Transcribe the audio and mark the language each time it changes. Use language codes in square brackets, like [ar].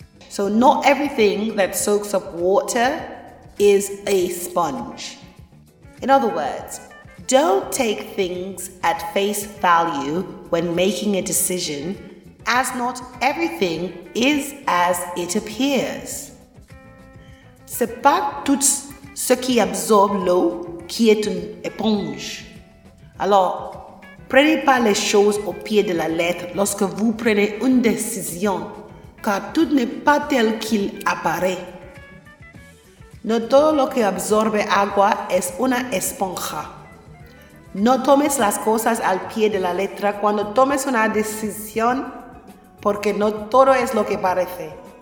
[en] So not everything that soaks up water is a sponge. In other words, don't take things at face value when making a decision, as not everything is as it appears. [fr] C'est pas tout ce qui absorbe l'eau qui est une éponge. Alors, prenez pas les choses au pied de la lettre lorsque vous prenez une décision, car tout n'est pas tel qu'il apparaît. [es] No todo lo que absorbe agua es una esponja. No tomes las cosas al pie de la letra cuando tomes una decisión, porque no todo es lo que parece.